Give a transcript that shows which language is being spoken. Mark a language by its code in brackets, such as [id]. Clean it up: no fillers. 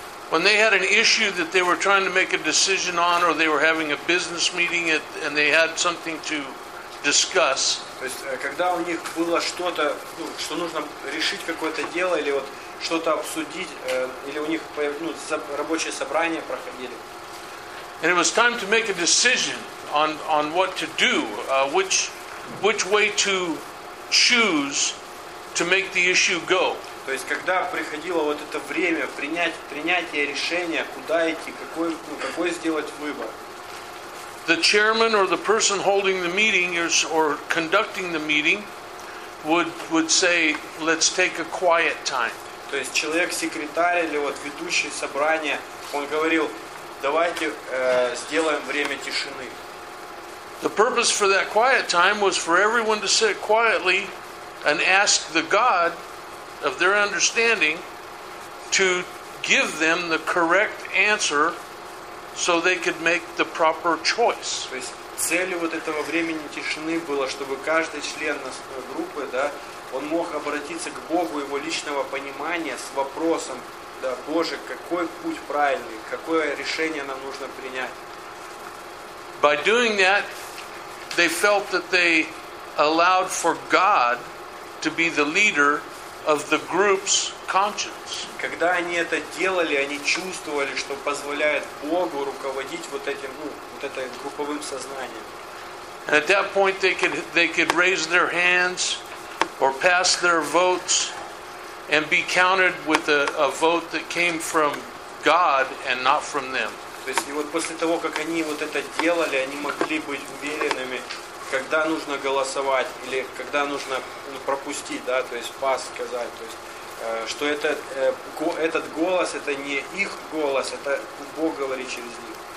[en] When they had an issue that they were trying to make a decision on, or they were having a business meeting and they had something to discuss. [ru] То есть, когда у них было что-то, ну, что нужно решить какое-то дело, или вот что-то обсудить, или у них рабочие собрания проходили. [en] And it was time to make a decision on what to do, which way to choose to make the issue go. [ru] То есть, когда приходило вот это время принятия решения, куда идти, какой сделать выбор. [en] The chairman or the person holding the meeting or conducting the meeting would say, let's take a quiet time. [ru] То есть человек, секретарь или вот ведущий собрания, он говорил, давайте сделаем время тишины. [en] The purpose for that quiet time was for everyone to sit quietly and ask the God of their understanding to give them the correct answer. So they could make the proper choice. [ru] То есть целью вот этого времени тишины было, чтобы каждый член группы, да, он мог обратиться к Богу его личного понимания с вопросом, да, Боже, какой путь правильный, какое решение нам нужно принять. [en] By doing that, they felt that they allowed for God to be the leader of the group's conscience. [ru] Когда они это делали, они чувствовали, что позволяет Богу руководить вот этим, ну, вот это групповым сознанием. [en] And at that point they could raise their hands or pass their votes and be counted with a vote that came from God and not from them. [ru] То есть, и вот после того, как они вот это делали, они могли быть уверенными, когда нужно голосовать или когда нужно пропустить, да, то есть пас сказать, то есть что этот голос, это не их голос, это Бог говорит через них.